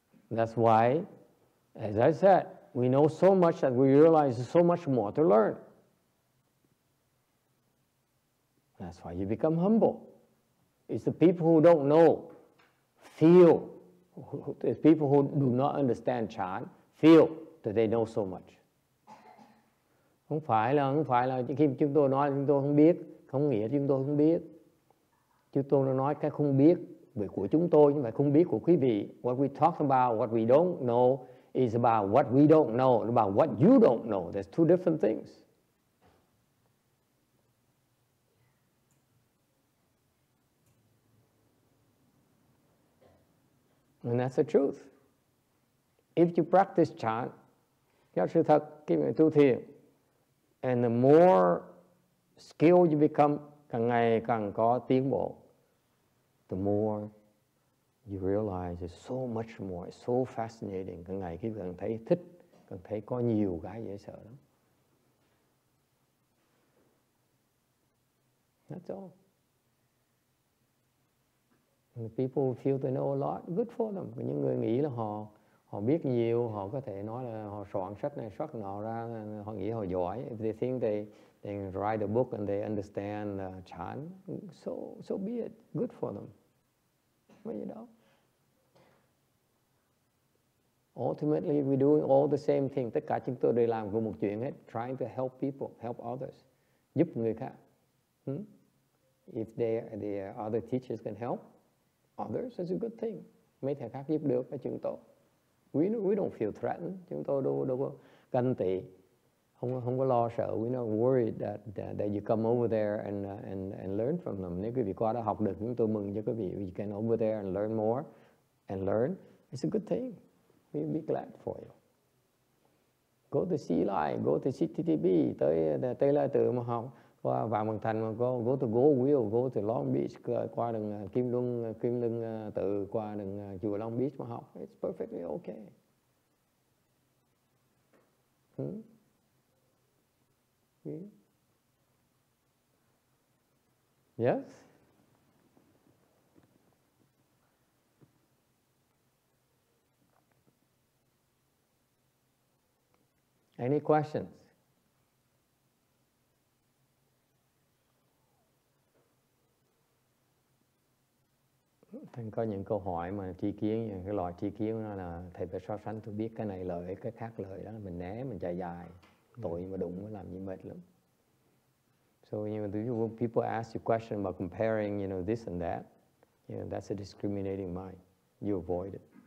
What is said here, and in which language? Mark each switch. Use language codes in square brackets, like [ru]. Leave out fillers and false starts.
[en] That's why, as I said, we know so much that we realize so much more to learn. That's why you become humble. It's the people who don't know, feel. It's people who do not understand chan, feel that they know so much. [vi] Không phải là khi chúng tôi nói chúng tôi không biết, không nghĩa chúng tôi không biết. Chúng tôi nói cái không biết về của chúng tôi, nhưng mà không biết của quý vị. [en] What we talk about, what we don't know, is about what we don't know, about what you don't know. There's two different things. And that's the truth. If you practice chan, [vi] theo sự thật, khi mà tu thiền, [en] and the more skilled you become, [vi] càng ngày càng có tiến bộ, [en] the more you realize it's so much more, it's so fascinating. [vi] Càng ngày khi càng thấy thích, càng thấy có nhiều cái dễ sợ lắm. [en] That's all. And the people who feel they know a lot, good for them. [vi] Và những người nghĩ là họ biết nhiều, họ có thể nói là họ soạn sách này, soạn nọ ra, họ nghĩ họ giỏi. [en] If they think they write a book and they understand chan, so be it, good for them. But you know, ultimately we're doing all the same thing. [vi] Tất cả chúng tôi đều làm cùng một chuyện hết, [en] trying to help people, help others, [vi] giúp người khác. [en] If the other teachers can help others, that's a good thing. [vi] Mấy thầy khác giúp được là chuyện tốt. [en] We don't feel threatened. [vi] Chúng tôi đâu có canh tị, không có lo sợ. [en] We're not worried that you come over there and learn from them. [vi] Nếu quý vị qua đó học được, chúng tôi mừng cho quý vị. [en] You can over there and learn more and learn. It's a good thing. We'll be glad for you. Go to CLI, go to CTTB, [vi] tới Tây Lai Tự mà học, qua Vạn Bằng Thành mà [en] go to Go Wheel, go to Long Beach, [vi] qua đường Kim Lưng Tự, qua đường chùa Long Beach mà học. [en] It's perfectly okay. Yes? Any questions? [vi] Thành có những câu hỏi mà tri kiến, cái loại tri kiến đó là thầy phải so sánh tôi biết cái này lợi, cái khác lợi đó, mình né, mình chạy dài, tội mà đụng mới làm như mệt lắm. [en] So when people ask you question about comparing, you know, this and that, you know, that's a discriminating mind. You avoid it.